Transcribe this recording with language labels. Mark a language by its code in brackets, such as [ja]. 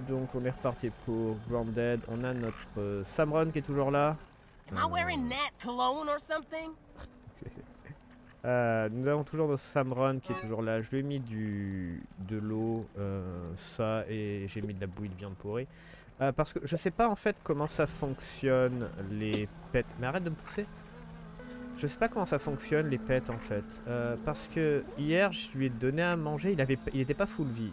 [fr] Donc on est reparti pour Grounded. On a notre Samron qui est toujours là. [en] Am I wearing that cologne or something? [fr] Nous avons toujours notre Samron qui est toujours là. Je lui ai mis de l'eau, ça, et j'ai mis de la bouillie de viande pourrie. Parce que je sais pas en fait comment ça fonctionne les pets. Mais arrête de me pousser. Je sais pas comment ça fonctionne les pets en fait. Parce que hier je lui ai donné à manger, il était pas full vie.